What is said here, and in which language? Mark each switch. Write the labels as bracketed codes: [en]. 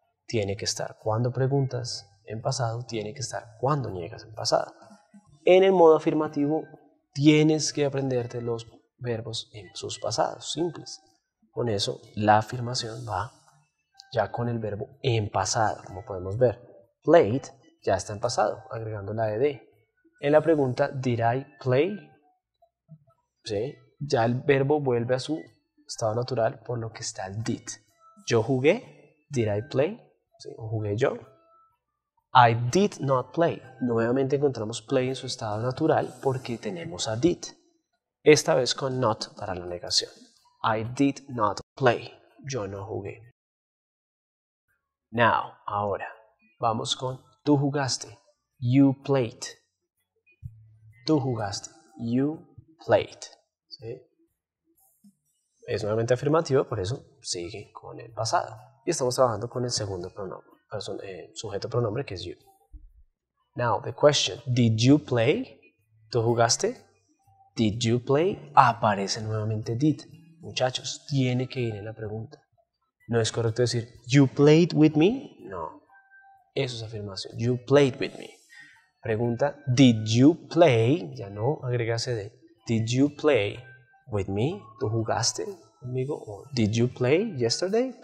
[es] Tiene que estar cuando preguntas en pasado, tiene que estar cuando niegas en pasado. En el modo afirmativo, tienes que aprenderte los verbos en sus pasados, simples. Con eso, la afirmación va ya con el verbo en pasado, como podemos ver. Played ya está en pasado, agregando la ed. En la pregunta, [en] did I play? [es] ¿Sí? Ya el verbo vuelve a su estado natural, por lo que está el did. Yo jugué, [en] did I play? [es] ¿Sí? ¿O jugué yo? [en] I did not play. [es] Nuevamente encontramos play en su estado natural porque tenemos a did. Esta vez con not para la negación. [en] I did not play. [es] Yo no jugué. [en] Now, [es] ahora, vamos con tú jugaste. [en] You played. [es] Tú jugaste. [en] You played. ¿Sí? [es] Es nuevamente afirmativo, por eso sigue con el pasado. Y estamos trabajando con el segundo pronombre. Sujeto pronombre que es you. [en] Now, the question, did you play? [es] ¿Tú jugaste? [en] Did you play? [es] Aparece nuevamente did. Muchachos, tiene que ir en la pregunta. No es correcto decir, [en] you played with me? [es] No. Eso es afirmación. [en] You played with me. Pregunta, did you play? [es] Ya no agregase de. [en] Did you play with me? [es] ¿Tú jugaste conmigo? [en] O, did you play yesterday?